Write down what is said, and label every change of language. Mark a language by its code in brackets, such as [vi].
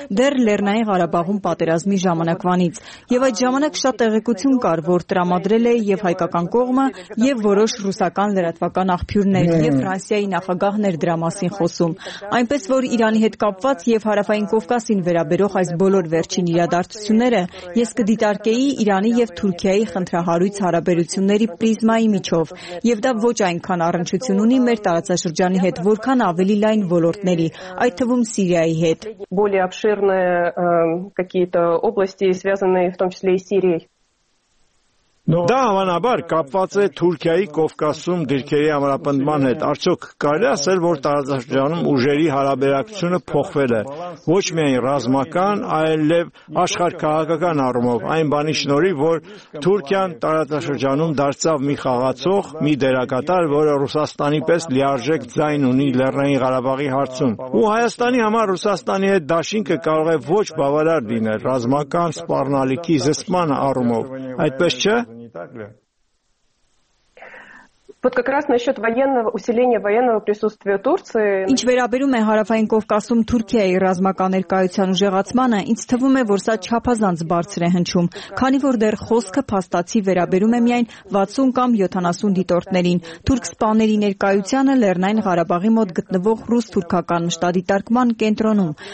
[hy] դեռ Լեռնային Ղարաբաղում պատերազմի ժամանակվանից։ Եվ այդ ժամանակ շատ տեղեկություն կար, որ տրամադրել է եւ հայկական կողմը, եւ որոշ ռուսական լրատվական աղբյուրներ, եւ Ֆրանսիայի նախագահներ դրա մասին խոսում։ Այնպես որ Իրանի հետ կապված եւ հարավային Կովկասին վերաբերող այս բոլոր վերջին իրադարձությունները ես կդիտարկեի Իրանի եւ Թուրքիայի խնդրահարույց հարաբերությունների պրիզմայի միջով, եւ դա ոչ այնքան առնչություն ունի մեր տարածաշրջանի հետ, որքան ավելի լայն ոլորտների, այդ թվում Սիրիայի հետ։ [ru] Более обширные какие-то области, связанные в том числе и с Сирией. [hy] Դա հավանաբար կապված է Թուրքիայի Կովկասում գրքերի համապնդման հետ։ Արդյոք կարելի ասել, որ տարածաշրջանում ուժերի հարաբերակցությունը փոխվել է, ոչ միայն ռազմական, այլև աշխարհքաղաքական առումով, այն բանի շնորհիվ, որ Թուրքիան տարածաշրջանում դարձավ մի խաղացող, մի դերակատար, որը Ռուսաստանի պես լիարժեք ձայն ունի Լեռնային Ղարաբաղի հարցում։ Ու Հայաստանի համար Ռուսաստանի հետ դաշինքը կարող է ոչ բավարար լինել ռազմական սպառնալիքի զսպման առումով, այդպես չէ։ [ru] Вот как раз насчёт военного усиления военного присутствия Турции. [hy] Ինչ վերաբերում է Հարավային Կովկասում Թուրքիայի ռազմական ներկայության ուժեղացմանը, ինձ թվում է, որ սա չափազանց բարձր է հնչում, քանի որ դեռ խոսքը փաստացի վերաբերում է միայն 60 կամ 70 դիտորդներին։ Թուրք սպաների ներկայությունը Լեռնային Ղարաբաղի մոտ գտնվող ռուս-թուրքական մշտադիտարկման կենտրոնում,